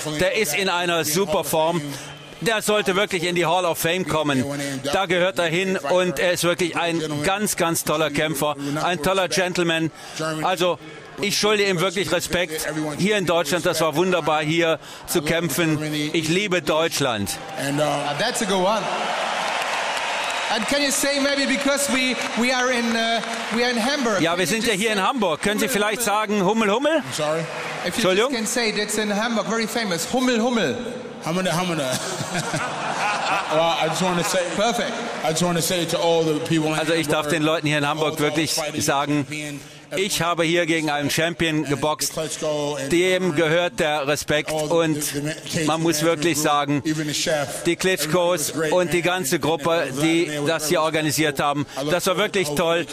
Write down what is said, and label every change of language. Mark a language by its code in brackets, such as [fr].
[de] Der ist in einer super Form. Der sollte wirklich in die Hall of Fame kommen. Da gehört er hin und er ist wirklich ein ganz, ganz toller Kämpfer, ein toller Gentleman. Also ich schulde ihm wirklich Respekt hier in Deutschland. Das war wunderbar, hier zu kämpfen. Ich liebe Deutschland. [en] That's a good one. And can you say maybe because we are in Hamburg? [de] Ja, wir sind ja hier in Hamburg. Können Sie vielleicht sagen Hummel Hummel? [en] Sorry. [de] Entschuldigung. [en] If you just can say that's in Hamburg, very famous. [de] Hummel Hummel. [en] Hummel Hummel. Well, I just want to say. Perfect. I just want to say to all the people. [de] Also ich darf den Leuten hier in Hamburg wirklich sagen. Ich habe hier gegen einen Champion geboxt, dem gehört der Respekt und man muss wirklich sagen, die Klitschkos und die ganze Gruppe, die das hier organisiert haben, das war wirklich toll.